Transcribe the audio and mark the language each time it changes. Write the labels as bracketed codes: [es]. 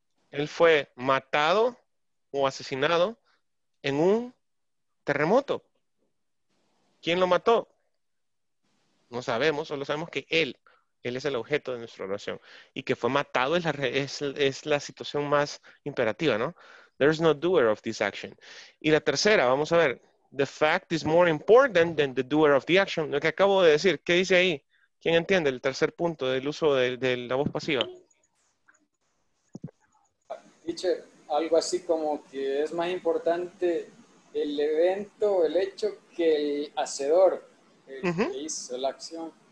[es] Él fue matado o asesinado en un terremoto. ¿Quién lo mató? No sabemos. Solo sabemos que él. Él es el objeto de nuestra oración. Y que fue matado es la situación más imperativa, ¿no? [en] There is no doer of this action. [es] Y la tercera, vamos a ver. [en] The fact is more important than the doer of the action. [es] Lo que acabo de decir, ¿qué dice ahí? ¿Quién entiende el tercer punto del uso de la voz pasiva? Teacher, algo así como que es más importante el evento, el hecho, que el hacedor, que hizo la acción.